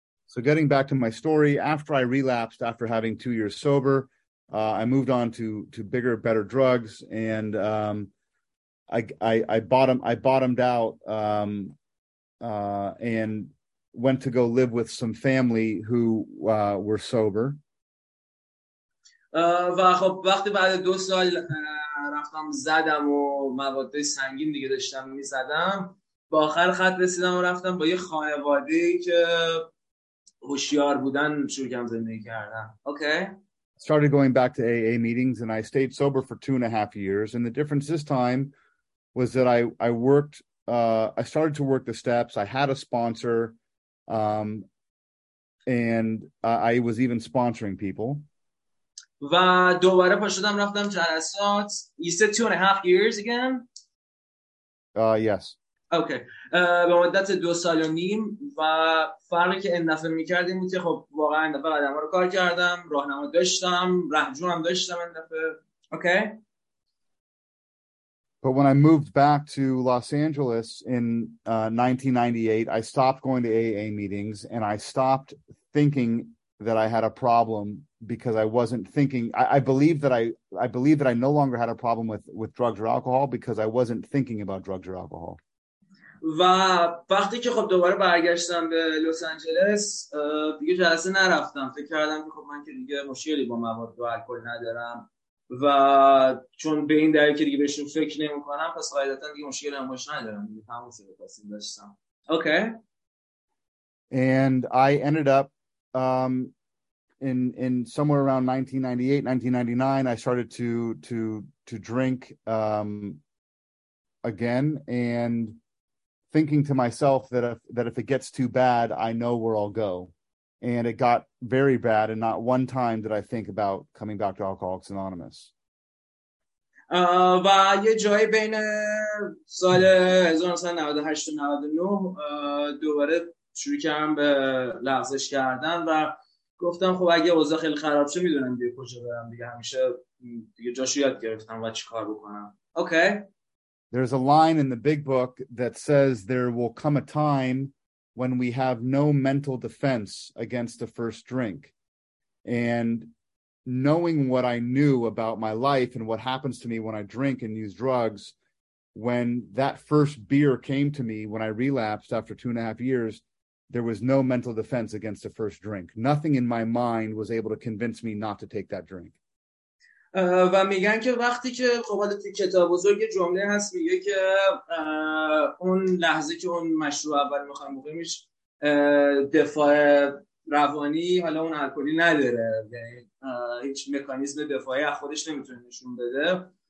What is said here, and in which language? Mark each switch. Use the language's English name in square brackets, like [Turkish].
[English] So getting back to my story, after I relapsed, after having 2 years sober, I moved on to bigger, better drugs, and I bottomed out and went to go live with some family who were sober. [Persian] و خب وقتی بعد 2 سال رفتم زدم و مواد سنگین دیگه داشتم میزدم، با آخر خط رسیدم و رفتم با یه خانواده که هوشیار بودن شروع کردم زندگی کردم. [English] Okay. Started going back to AA meetings and I stayed sober for 2.5 years, and the difference this time was that I started to work the steps. I had a sponsor, and I was even sponsoring people. [Persian] و دوباره پاشدم رفتم جلسات. [English] You said 2.5 years again? Yes. Okay. [Persian] به مدت 2.5 سال، و فرقی که این دفعه میکردیم این که خب واقعا این دفعه قدم ها رو کار کردم، راهنما داشتم، رهجون هم داشتم این دفعه. [English] Okay. But when I moved back to Los Angeles in 1998, I stopped going to AA meetings and I stopped thinking that I had a problem, because I wasn't thinking. I believe that I no longer had a problem with drugs or alcohol, because I wasn't thinking about drugs or alcohol. [Persian] و وقتی که خب دوباره برگشتم به لس آنجلس دیگه جلسه نرفتم، فکر کردم که خب من که دیگه مشکلی با مواد و الکل ندارم، و چون به این دلیل که دیگه بهشون فکر نمی‌کنم، پس قاعدتا دیگه مشکلی هم باش ندارم، دیگه تموم شده تصمیم داشتم. [English] Okay. And I ended up in somewhere around 1998, 1999, I started to drink again, and thinking to myself that if it gets too bad, I know where I'll go. And it got very bad, and not one time did I think about coming back to Alcoholics Anonymous. [Persian] و یه جایی بین سال 1998 و 99 دوباره شروع کردم به لغزش کردن، و گفتم خب اگه اوضاع خیلی خراب شه میدونم دیگه کجا برم، دیگه همیشه دیگه جاشو یاد گرفتم و چی کار بکنم. [English] Okay. There's a line in the big book that says there will come a time when we have no mental defense against the first drink. And knowing what I knew about my life and what happens to me when I drink and use drugs, when that first beer came to me when I relapsed after 2.5 years, there was no mental defense against the first drink. Nothing in my mind was able to convince me not to take that drink. [Persian] و میگن که وقتی که خب حالا تو کتاب بزرگ جمله هست میگه که اون لحظه که اون مشروع اول میخوام بخوریمش دفاع روانی حالا اون الکلی نداره، یعنی هیچ مکانیزم دفاعی از خودش نمیتونه نشون بده.